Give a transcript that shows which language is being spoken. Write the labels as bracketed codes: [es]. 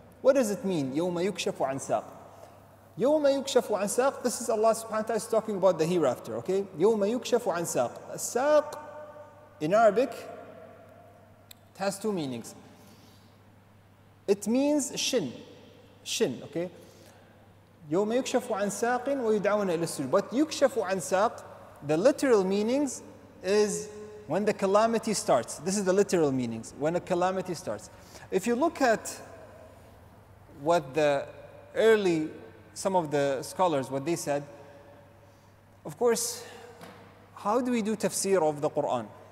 [en] What does it mean, [ar] يَوْمَ يُكْشَفُ عَنْ سَاقٍ? يوم يكشف عن ساق. [en] This is Allah subhanahu wa ta'ala is talking about the hereafter. [ar] Okay. يوم يكشف عن ساق. [en] الساق in Arabic it has two meanings. It means shin. Shin. Okay. [ar] يوم يكشف عن ساق ويدعون إلى السجود. [en] But [ar] يكشف عن ساق, [en] the literal meanings is when the calamity starts. This is the literal meanings. When a calamity starts. If you look at what the early some of the scholars, what they said, of course, how do we do tafsir of the Quran?